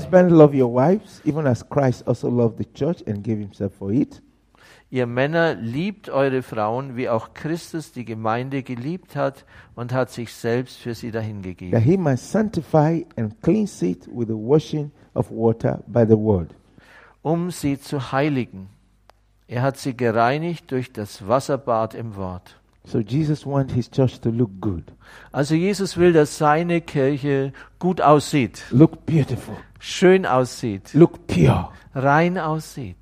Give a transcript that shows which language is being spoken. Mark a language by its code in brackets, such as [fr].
[en] Husbands, love your wives, even as Christ also loved the church and gave himself for it. [de] Ihr Männer, liebt eure Frauen, wie auch Christus die Gemeinde geliebt hat und hat sich selbst für sie dahingegeben. [en] That he might sanctify and cleanse it with the washing of water by the word. [de] Um sie zu heiligen. Er hat sie gereinigt durch das Wasserbad im Wort. [en] So Jesus wants his church to look good. [de] Also Jesus will, dass seine Kirche gut aussieht. [en] Look beautiful. [de] Schön aussieht. [en] Look pure. [de] Rein aussieht.